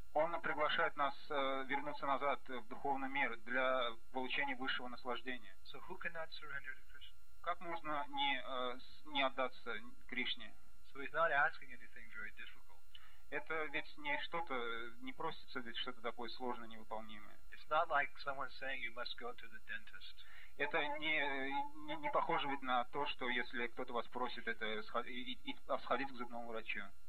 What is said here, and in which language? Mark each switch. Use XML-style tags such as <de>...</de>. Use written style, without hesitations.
<ru>Он приглашает нас вернуться назад в духовный мир для получения высшего наслаждения.</ru> <en>So, who cannot surrender to Krishna?</en> <ru>Как можно не отдаться Кришне?</ru> <en>So he's not asking anything very difficult.</en> <ru>Это ведь не что-то, не просится ведь что-то такое сложное, невыполнимое.</ru> <en>It's not like someone saying you must go to the dentist.</en> <ru>Это не похоже ведь на то, что если кто-то вас просит это сходить к зубному врачу.</ru>